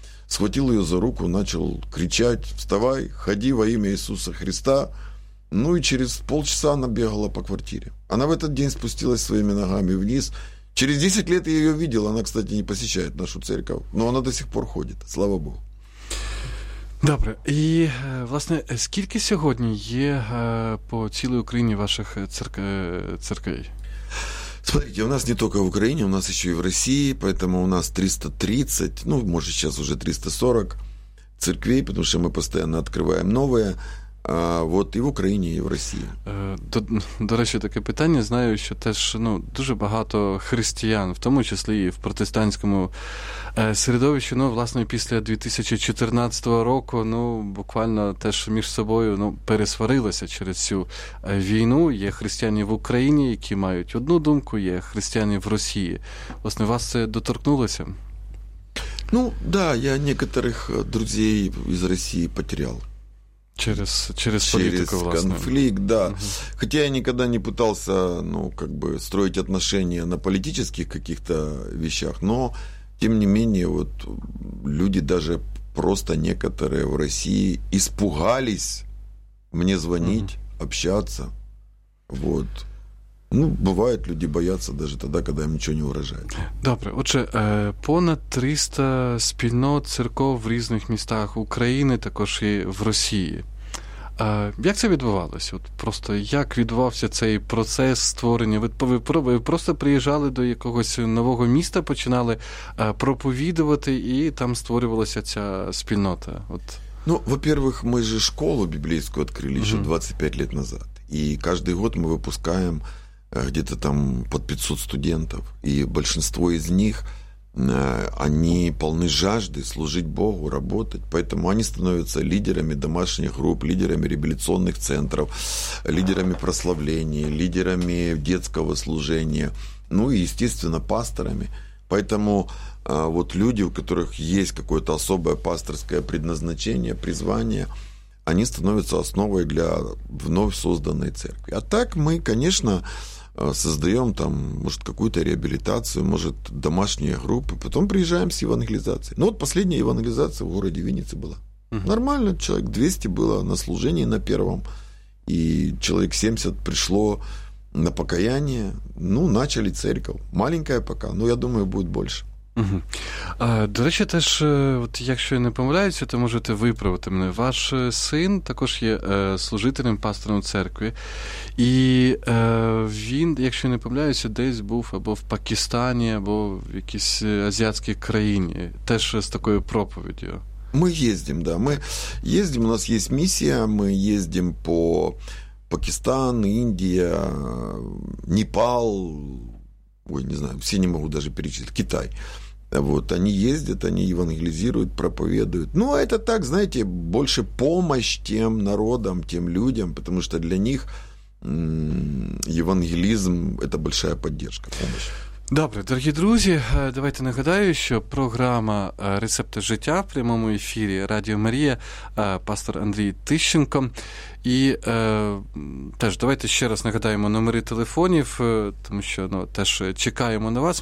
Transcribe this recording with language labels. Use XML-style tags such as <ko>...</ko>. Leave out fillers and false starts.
<ru>Схватил ее за руку, начал кричать: вставай, ходи во имя Иисуса Христа. Ну и через полчаса она бегала по квартире. Она в этот день спустилась своими ногами вниз. Через 10 лет я ее видел. Она, кстати, не посещает нашу церковь, но она до сих пор ходит, слава Богу.</ru> <uk>Добре. І, власне, скільки сьогодні є по цілій Україні ваших церквей?</uk> <ru>Смотрите, у нас не только в Украине, у нас еще и в России, поэтому у нас 330, ну, может, сейчас уже 340 церквей, потому что мы постоянно открываем новые, вот и в Украине, и в России.</ru> <uk>До речі, таке питання. Знаю, що теж, ну, дуже багато християн, в тому числі і в протестантському середовищі, ну, власне, після 2014 року, ну, буквально теж між собою, ну, пересварилися через цю війну. Є християни в Україні, які мають одну думку, є християни в Росії. Власне, вас це доторкнулося?</uk> <ru>Ну, да, я некоторих друзей</ru> <uk>із</uk> <ru>Росії потерял. Через политику, через</ru> <uk>власне.</uk> <ru>Конфликт, да. Uh-huh. Хотя я никогда не пытался, ну, как бы, строить отношения на политических каких-то вещах, но, тем не менее, вот люди, даже просто некоторые в России, испугались мне звонить, uh-huh, общаться, вот. Ну, бывает, люди боятся даже тогда, когда им ничего не угрожает.</ru> <uk>Добре. Отже, понад 300 спільнот церков в різних містах України, також і в Росії. Як це відбувалося? От просто як відбувався цей процес створення? Ви просто приїжджали до якогось нового міста, починали проповідувати, і там створювалася ця спільнота? От.</uk> <ru>Ну, во-первых,</ru> <uk>ми ж школу біблійську відкрили ще 25 років назад. І кожен рік ми випускаємо</uk> <ru>где-то там под 500 студентов. И большинство из них, они полны жажды служить Богу, работать. Поэтому они становятся лидерами домашних групп, лидерами реабилитационных центров, лидерами прославления, лидерами детского служения, ну и, естественно, пасторами. Поэтому вот люди, у которых есть какое-то особое пасторское предназначение, призвание, они становятся основой для вновь созданной церкви. А так мы, конечно, создаем там, может, какую-то реабилитацию, может, домашние группы, потом приезжаем с евангелизацией. Ну вот последняя евангелизация в городе Виннице была. Угу. Нормально, человек 200 было на служении на первом, и человек 70 пришло на покаяние. Ну, начали церковь. Маленькая пока, но я думаю, будет больше. Угу.</ru> <uk>А, до речі, теж, от якщо я не помиляюся, то можете виправити мене. Ваш син також є служителем, пастором церкви. І він, якщо я не помиляюся, десь був або в Пакистані, або в якійсь азіатській країні. Теж з такою проповіддю. Ми їздимо, да. Ми їздимо, у нас є місія, ми їздимо по Пакистан, Індія, Непал, ой, не знаю, всі не можу навіть перечислити, Китай.</uk> <ru>Вот, они ездят, они евангелизируют, проповедуют. Ну, это так, знаете, больше помощь тем народам, тем людям, потому что для них евангелизм – это большая поддержка, помощь.</ru> <uk>Добре, дорогі друзі, давайте нагадаю, що програма «Рецепти життя» в прямому ефірі Радіо Марія, пастор Андрій Тищенко. І теж давайте ще раз нагадаємо номери телефонів, тому що ну, теж чекаємо на вас.</uk>